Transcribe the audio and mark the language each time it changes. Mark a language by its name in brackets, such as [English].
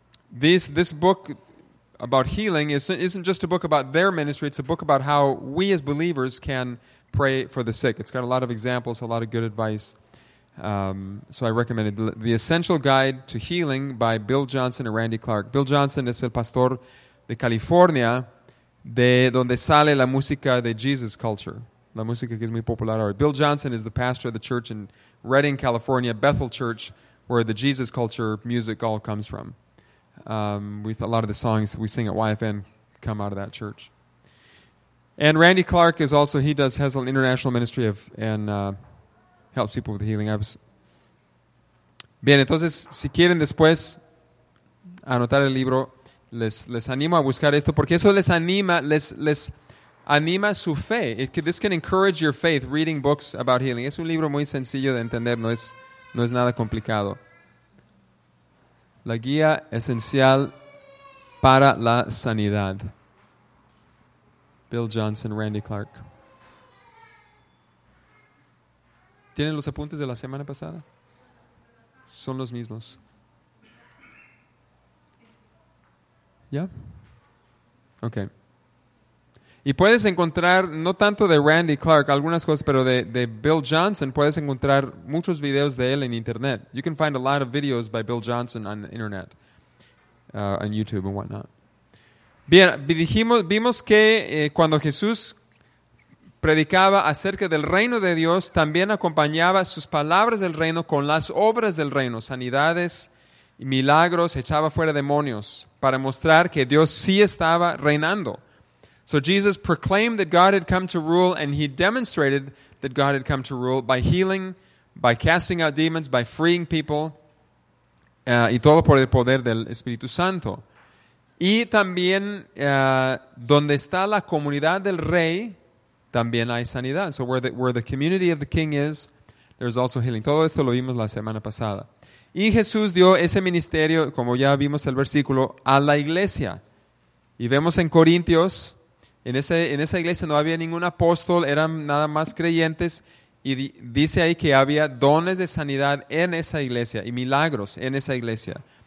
[English] This book about healing isn't just a book about their ministry, it's a book about how we as believers can pray for the sick. It's got a lot of examples, a lot of good advice. So I recommend it. The Essential Guide to Healing by Bill Johnson and Randy Clark. [Spanish] Bill Johnson es el pastor de California, de donde sale la música de Jesus Culture, la música que es muy popular ahora. [English] Bill Johnson is the pastor of the church in Redding, California, Bethel Church, where the Jesus Culture music all comes from. A lot of the songs we sing at YFN come out of that church. And Randy Clark is also, has an international ministry helps people with healing. [Spanish] Bien, entonces, si quieren después anotar el libro, les animo a buscar esto, porque eso les anima su fe. [English] This can encourage your faith, reading books about healing. [Spanish] Es un libro muy sencillo de entender, no es nada complicado. La guía esencial para la sanidad. Bill Johnson, Randy Clark. ¿Tienen los apuntes de la semana pasada? Son los mismos. Yeah. Okay. Y puedes encontrar, no tanto de Randy Clark, algunas cosas, pero de Bill Johnson, puedes encontrar muchos videos de él en internet. [English] You can find a lot of videos by Bill Johnson on the internet, on YouTube and whatnot. [Spanish] Bien, vimos que cuando Jesús predicaba acerca del reino de Dios, también acompañaba sus palabras del reino con las obras del reino, sanidades, milagros, echaba fuera demonios, para mostrar que Dios sí estaba reinando. [English] So Jesus proclaimed that God had come to rule, and he demonstrated that God had come to rule by healing, by casting out demons, by freeing people, [Spanish] y todo por el poder del Espíritu Santo. Y también donde está la comunidad del rey, también hay sanidad. [English] So where the community of the king is, there's also healing. [Spanish] Todo esto lo vimos la semana pasada. Y Jesús dio ese ministerio, como ya vimos el versículo, a la iglesia. Y vemos en Corintios, en esa iglesia no había ningún apóstol, eran nada más creyentes. Y dice ahí que había dones de sanidad en esa iglesia y milagros en esa iglesia.